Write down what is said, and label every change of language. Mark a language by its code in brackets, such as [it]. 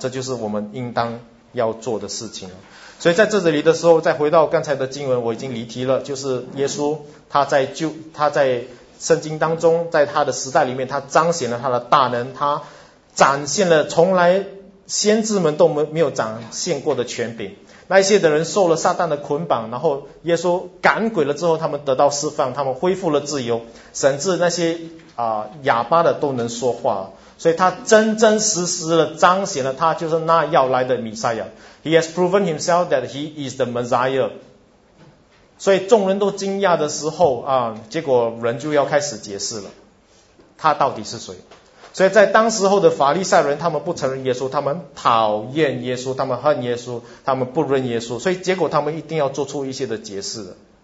[zh] 这就是我们应当要做的事情。所以在这里的时候，再回到刚才的经文，我已经离题了，就是耶稣他在圣经当中，在他的时代里面，他彰显了他的大能，他展现了从来先知们都没有展现过的权柄。那些的人受了撒旦的捆绑，然后耶稣赶鬼了之后，他们得到释放，他们恢复了自由，甚至那些哑巴的都能说话。所以他真真实实的彰显了他就是那要来的弥赛亚。 [en] He has proven himself that he is the Messiah。 [zh] 所以众人都惊讶的时候结果人就要开始解释了，他到底是谁。所以在当时候的法利赛人，他们不承认耶稣，他们讨厌耶稣，他们恨耶稣，他们不认耶稣，所以结果他们一定要做出一些的解释的。